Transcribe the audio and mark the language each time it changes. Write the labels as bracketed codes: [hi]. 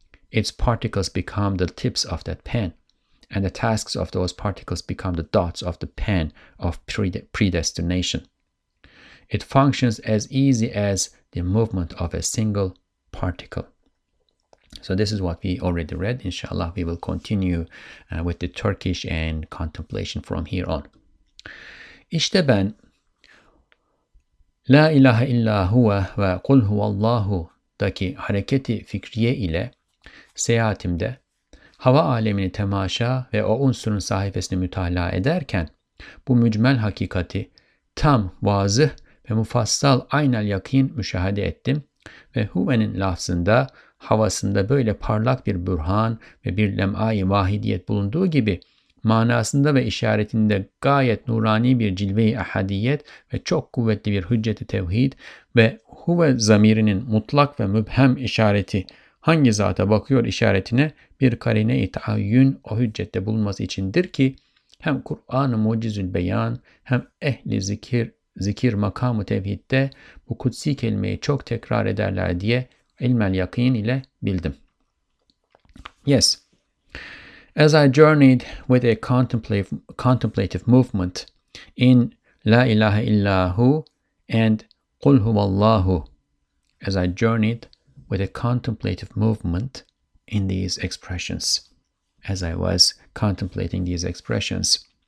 [en] Its particles become the tips of that pen, and the tasks of those particles become the dots of the pen of predestination. It functions as easy as the movement of a single particle. So this is what we already read. Inshallah, we will continue with the Turkish and contemplation from here on. [tr] İşte ben La ilahe illa huve ve kul huvallahu'daki hareketi fikriye ile seyahatimde hava alemini temaşa ve o unsurun sahifesini mütala ederken bu mücmel hakikati tam, vazıh ve mufassal aynel yakin müşahede ettim ve huvenin lafzında havasında böyle parlak bir bürhan ve bir lem'ai vahidiyet bulunduğu gibi manasında ve işaretinde gayet nurani bir cilve-i ahadiyet ve çok kuvvetli bir hücceti tevhid ve huve zamirinin mutlak ve mübhem işareti hangi zata bakıyor işaretine bir karine-i taayyün o hüccette bulunması içindir ki hem Kur'an-ı mucizül beyan hem ehli zikir, zikir makamı tevhidde bu kutsi kelimeyi çok tekrar ederler diye ilmel yakin ile bildim. [en] Yes. As I journeyed with a contemplative movement in La ilaha illahu and Qul huvallahu, as I journeyed with a contemplative movement in these expressions, as I was contemplating these expressions.